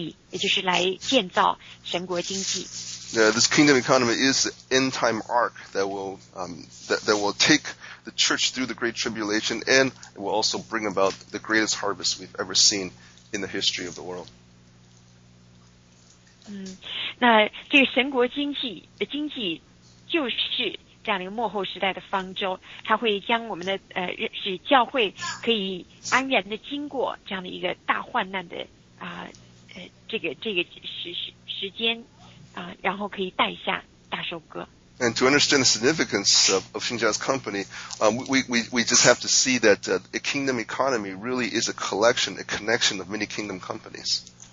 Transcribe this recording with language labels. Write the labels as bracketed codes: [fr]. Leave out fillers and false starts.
[zh] 他一直是到听到一万五百的信息之后，才真正去明白他的公司在神国度，才完全明白他的公司在神国度中的这样的一个意义，也就是来建造神国经济。 [en] Yeah, this kingdom economy is the end time arc that will that will take the church through the great tribulation and will also bring about the greatest harvest we've ever seen in the history of the world. [zh] 那这个神国经济就是这样的一个幕后时代的方舟，它会将我们的使教会可以安然的经过这样的一个大患难的这个时间，然后可以带下大收割。And [en] to understand the significance of Xinjiang's company, we just have to see that the kingdom economy really is a collection, a connection of many kingdom companies.